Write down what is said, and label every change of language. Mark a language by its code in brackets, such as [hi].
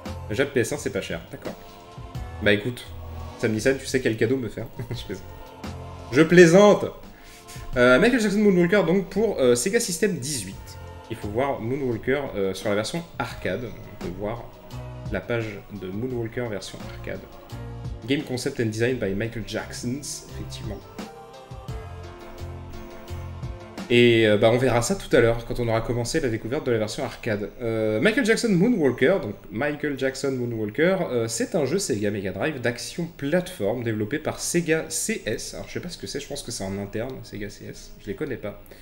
[fr] Jap PS1, c'est pas cher, d'accord. Bah écoute, Sam Nissan, tu sais quel cadeau me faire. Je fais ça. Je plaisante. Michael Jackson Moonwalker, donc pour Sega System 18. Il faut voir Moonwalker sur la version arcade. On peut voir la page de Moonwalker version arcade. [en] Game concept and design by Michael Jacksons, effectivement. [fr] Et bah, on verra ça tout à l'heure quand on aura commencé la découverte de la version arcade. Michael Jackson Moonwalker, donc Michael Jackson Moonwalker, c'est un jeu Sega Mega Drive d'action plateforme développé par Sega CS. Alors je sais pas ce que c'est, je pense que c'est en interne, Sega CS, je les connais pas.